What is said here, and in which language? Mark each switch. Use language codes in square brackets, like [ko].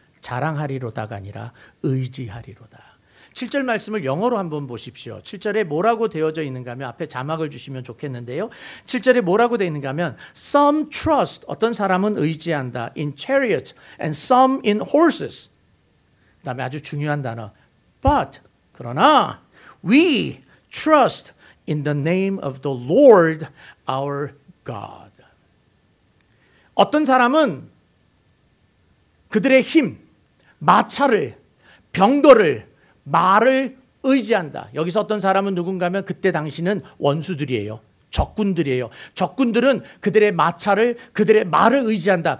[ko] 자랑하리로다가 아니라 의지하리로다. 7절 말씀을 영어로 한번 보십시오. 7절에 뭐라고 되어져 있는가 하면 앞에 자막을 주시면 좋겠는데요. 7절에 뭐라고 되어 있는가 하면 [en] some trust, [ko] 어떤 사람은 의지한다 [en] in chariot and some in horses. [ko] 그 다음에 아주 중요한 단어 [en] but, [ko] 그러나 [en] we trust in the name of the Lord our God. [ko] 어떤 사람은 그들의 힘, 마차를, 병거를 말을 의지한다. 여기서 어떤 사람은 누군가 하면 그때 당시는 원수들이에요. 적군들이에요. 적군들은 그들의 마차를 그들의 말을 의지한다.